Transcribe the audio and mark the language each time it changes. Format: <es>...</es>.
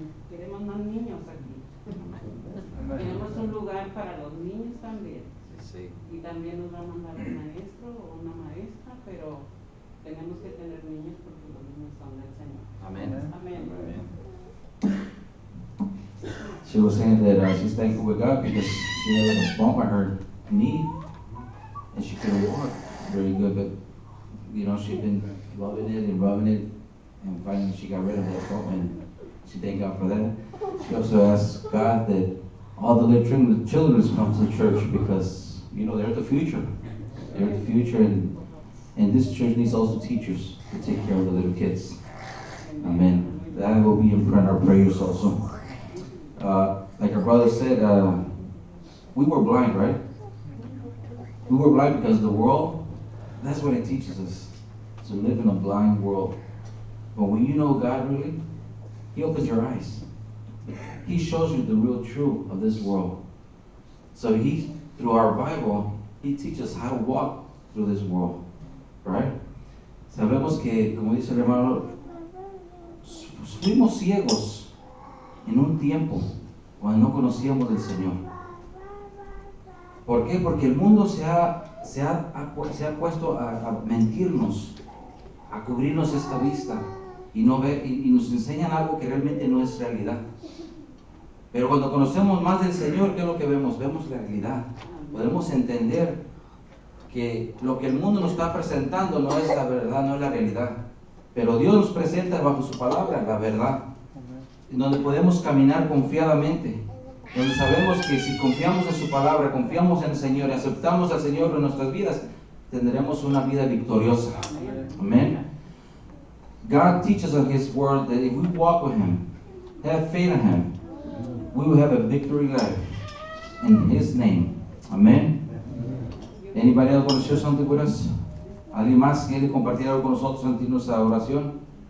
<es>Queremos más niños aquí. Tenemos un lugar para los niños también. Sí. Y también nos va a mandar un maestro o una maestra, pero tenemos que tener niños porque los niños son del Señor. Amén. Amén. Amén.</es> <en>She was saying that she's thankful with God because she had like a bump on her knee and she couldn't walk very good, but you know, she'd been loving it and rubbing it and finally she got rid of that bump and she thanked God for that. She also asked God that all the little children come to the church because, you know, they're the future. They're the future and this church needs also teachers to take care of the little kids. Amen. That will be in front of our prayers also. Like our brother said, we were blind, right? We were blind because the world, that's what it teaches us, to live in a blind world. But when you know God really, He opens your eyes. He shows you the real truth of this world. So He, through our Bible, He teaches us how to walk through this world, right?</en> <es>Sabemos que, como dice el hermano, fuimos ciegos en un tiempo cuando no conocíamos del Señor. ¿Por qué? Porque el mundo se ha puesto a mentirnos, a cubrirnos esta vista y no ve y nos enseñan algo que realmente no es realidad. Pero cuando conocemos más del Señor, ¿qué es lo que vemos? Vemos la realidad. Podemos entender que lo que el mundo nos está presentando no es la verdad, no es la realidad. Pero Dios nos presenta bajo su palabra la verdad, en donde podemos caminar confiadamente, donde sabemos que si confiamos en su palabra, confiamos en el Señor y aceptamos al Señor en nuestras vidas, tendremos una vida victoriosa. Amén.</es> <en>God teaches us His word that if we walk with Him, have faith in Him, we will have a victory life in His name. Amen. Anybody else want to share something with us?</en> <es>¿Alguien más quiere compartir algo con nosotros antes de nuestra oración?</es>